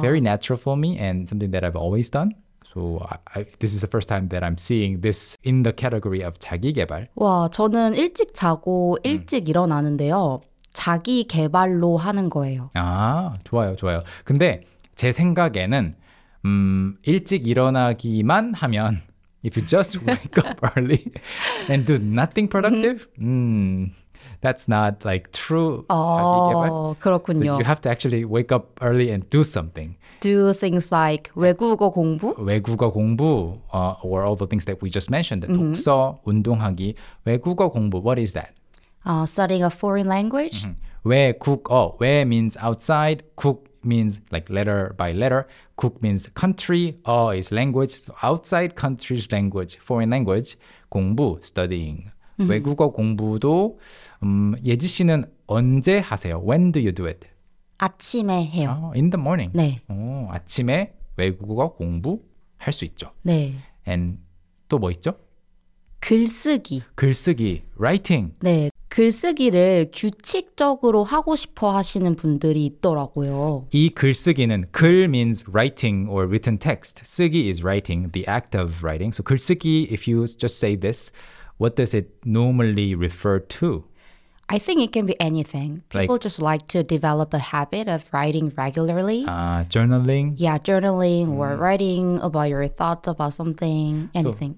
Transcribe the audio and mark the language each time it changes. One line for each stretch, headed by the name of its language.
English: Very natural for me and something that I've always done. So this is the first time that I'm seeing this in the category of 자기개발.
Korean: 와, 저는 일찍 자고 일찍 일어나는데요. 자기개발로 하는 거예요. 아, 좋아요, 좋아요. 근데 제 생각에는 일찍 일어나기만 하면
English: if you just wake up early and do nothing productive, that's not like true.
Korean: Oh, 그렇군요.
English: So you have to actually wake up early and do something. Do things like 외국어 공부? 외국어 공부, or all the things that we just mentioned.
Korean: 독서, 운동하기, 외국어 공부.
English: What is that? Studying a foreign language. Mm-hmm. 외국어, 외 means outside, 국 means like letter by letter, 국 means country, 어 is language, so outside country's language, foreign language, 공부, studying. Mm-hmm.
Korean: 외국어 공부도 예지 씨는 언제 하세요?
English: When do you do it?
Korean: 아침에 해요.
English: Oh, in the morning.
Korean: 네. 오, 아침에 외국어 공부 할 수 있죠. 네. And 또 뭐 있죠? 글쓰기. 글쓰기, writing. 네. 글쓰기를 규칙적으로 하고 싶어 하시는 분들이 있더라고요. 이 글쓰기는
English: 글 means writing or written text. 쓰기 is writing, the act of writing. So 글쓰기, if you just say this, what does it normally refer to? I think it can be anything. People like, just like to develop a habit of writing regularly. Journaling? Yeah, journaling or writing about your thoughts about something, anything.